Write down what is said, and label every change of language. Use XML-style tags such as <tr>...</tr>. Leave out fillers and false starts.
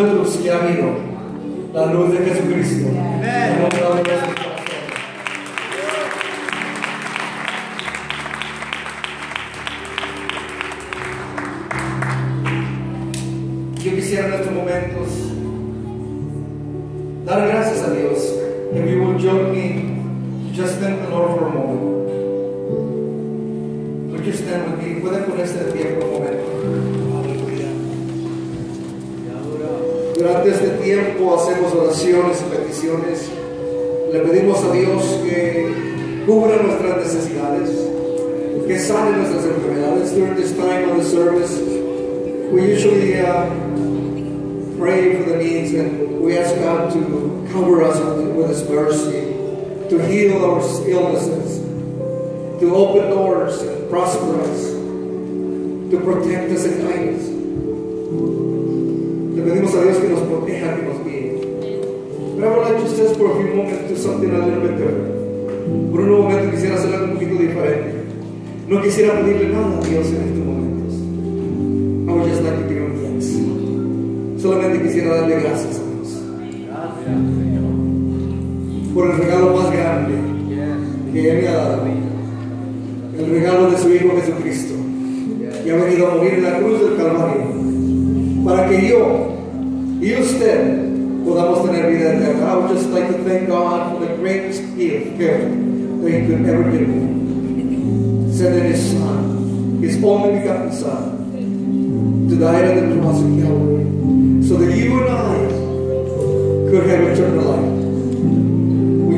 <es>de otros que ha habido la luz de Jesucristo. Yo quisiera en estos momentos dar gracias a Dios.</es> <en>If you will join me, just thank the Lord for a moment. Would you stand with me?</en> <es>Pueden ponerse de pie por un momento. Durante este tiempo hacemos oraciones y peticiones. Le pedimos a Dios que cubra nuestras necesidades, que sane nuestras enfermedades.</es> <en>During this time of the service, we usually pray for the needs, and we ask God to cover us with His mercy, to heal our illnesses, to open doors and prosper us, to protect us in kindness.</en> <es>Le pedimos a Dios que nos proteja, que nos guíe.</es> <en>But I would like to just for a few moments do something a little bit different.</en> <es>Por un momento quisiera hacer algo un poquito diferente. No quisiera pedirle nada a Dios en estos momentos.</es> <en>I would just like to give Him thanks.</en> <es>Solamente quisiera darle gracias a Dios. Por el regalo más grande que Él me ha dado. El regalo de su Hijo Jesucristo. Que ha venido a morir en la cruz del Calvario. Para que yo y usted podamos tener vida eterna.</es> <en>I would just like to thank God for the greatest gift that He could ever give me. Sending His Son, His only begotten Son, to die on the cross of Calvary, so that you and I could have eternal life.</en>